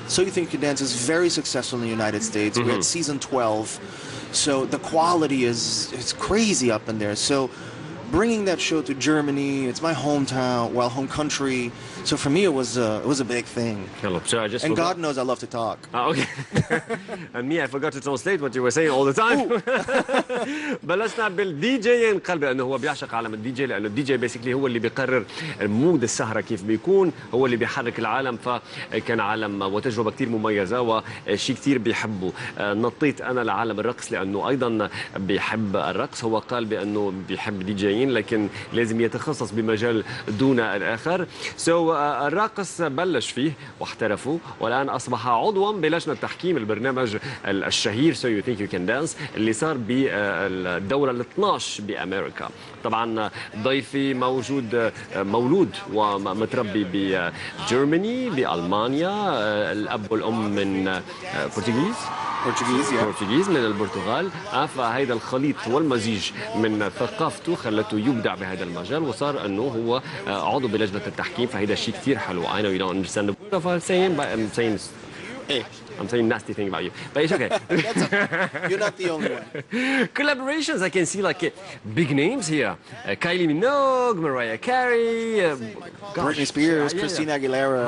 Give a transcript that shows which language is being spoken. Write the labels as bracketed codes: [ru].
[en] So You Think You Can Dance is very successful in the United States. We had season 12, so the quality is crazy up in there. So bringing that show to Germany, it's my hometown, well, home country. So for me, it was a big thing. Hello. So I just and God knows I love to talk. Ah, okay. And me, I forgot to translate what you were saying all the time. [ar] بلشنا بالدي جي ان قلبي، انه هو بيعشق عالم الدي جي لانه الدي جي بيسكلي هو اللي بيقرر المود، السهره كيف بيكون، هو اللي بيحرك العالم. فكان عالم وتجربه كثير مميزه وشيء كثير بيحبه. نطيت انا لعالم الرقص لانه ايضا بيحب الرقص. هو قال بانه بيحب دي جيين لكن لازم يتخصص بمجال دون الاخر. سو الراقص بلش فيه واحترفه والان اصبح عضوا بلجنه تحكيم البرنامج الشهير So You Think You Can Dance اللي صار بالدوره ال 12 بامريكا. طبعا ضيفي موجود، مولود ومتربي بجرماني، بالمانيا، الاب والام من برتغيز من البرتغال. فهيدا الخليط والمزيج من ثقافته خلته يبدع بهذا المجال وصار انه هو عضو بلجنه التحكيم. فهيدا شيء كثير حلو. [en] I know you don't understand the word of what I'm saying, but I'm saying nasty thing about you, but it's okay. You're not the only one. Collaborations, I can see like big names here. Kylie Minogue, Mariah Carey, Britney Spears, Christina Aguilera.